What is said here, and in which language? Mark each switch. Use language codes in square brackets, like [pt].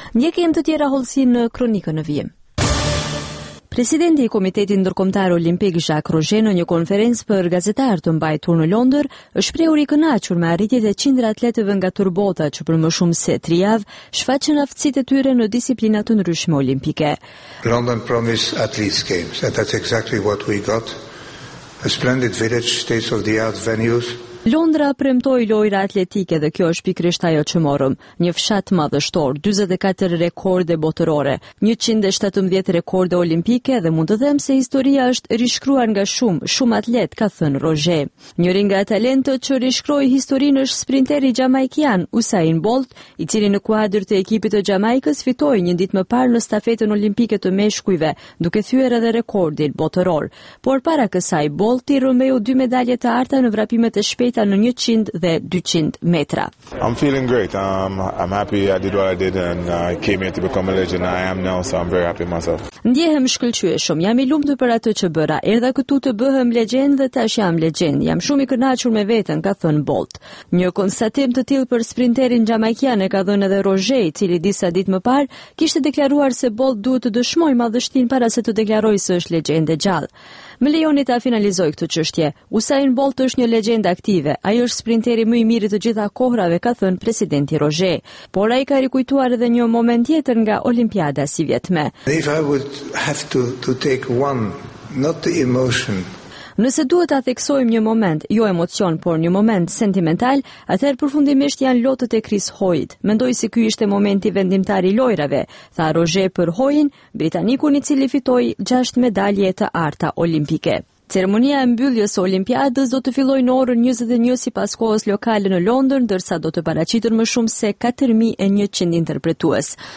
[sq] Ndjekim të tjera hollësinë në kronikën e vim. Presidenti i Komitetit Ndërkombëtar Olimpik Jacques Roger në një konferencë për gazetarë të mbajtur në Londër, është prehur i kënaqur me arritjet e qindra atletëve nga turbota që për më shumë se 3 javë shfaqën aftësitë e tyre në disiplina të ndryshme olimpike. [en] London promised athletes games, and that's exactly what we got. A splendid village, state-of-the-art venues. [sq] Londra premtoi lojra atletike dhe kjo është pikrisht ajo që morëm. Një fshat madhështor, 44 rekorde botërore, 117 rekorde olimpike dhe mund të them se historia është rishkruar nga shumë atlet, ka thënë Roger. Njëri nga talentët që rishkroi historinë është sprinteri jamaikian Usain Bolt, i cili në kuadër të ekipit të Jamaikës fitoi një ditë më parë në stafetën olimpike të meshkujve, duke thyer edhe rekordin botëror. Por para kësaj Bolt i rrëmbeu dy medalje të arta në vrapimet e beta në 100 dhe 200 metra. [en] I'm feeling great. I'm happy I did what I did and I came here to become a legend. I am now, so I'm very happy myself. [sq] Ndjehem shkëlqyeshëm. Jam i lumtur për atë që bëra. Erdha këtu të bëhem legend dhe tash jam legend. Jam shumë i kënaqur me veten, ka thënë Bolt. Një konstatim të tillë për sprinterin jamaikian e ka dhënë edhe Roger, i cili disa ditë më parë kishte deklaruar se Bolt duhet të dëshmojë madhështinë para se të deklarojë se është legjende gjallë. Më lejoni ta finalizoj këtë çështje. Usain Bolt është një legjendë aktive. Ai është sprinteri më i miri të gjitha kohrave, ka thënë presidenti Roger. Por ai ka rikujtuar edhe një moment tjetër nga Olimpiada si vjetme. [en] If I would have to take one, not the emotion. [sq] Nëse duhet ta theksojmë një moment, jo emocion, por një moment sentimental, atëherë përfundimisht janë lotët e Chris Hoyt. Mendoj se ky ishte momenti vendimtar i lojrave, tha Roger për Hoyin, britanikun i cili fitoi 6 medalje të arta olimpike. Ceremonia e mbylljes së Olimpiadës do të fillojë në orën 21 sipas kohës lokale në Londër, ndërsa do të paraqiten më shumë se 4100 interpretues.